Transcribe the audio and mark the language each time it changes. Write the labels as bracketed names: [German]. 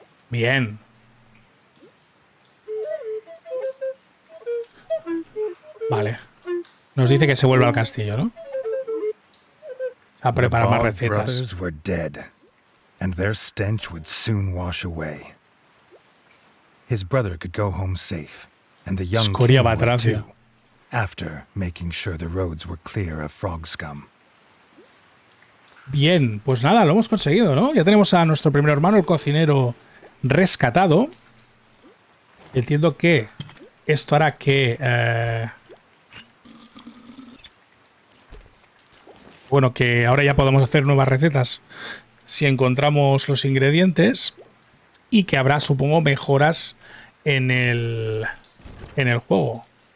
[Spanish] Bien. Vale. Nos dice que se vuelve al castillo, ¿no? A preparar más recetas. [English] The brothers were dead, and their stench would soon wash away. His brother could go home safe, and the young Scoria king would too, after making sure the roads were clear of frog scum. [Spanish] Bien, pues nada, lo hemos conseguido, ¿no? Ya tenemos a nuestro primer hermano, el cocinero, rescatado. Entiendo que esto hará que bueno, que ahora ya podemos hacer nuevas recetas si encontramos los ingredientes, y que habrá, supongo, mejoras en el juego.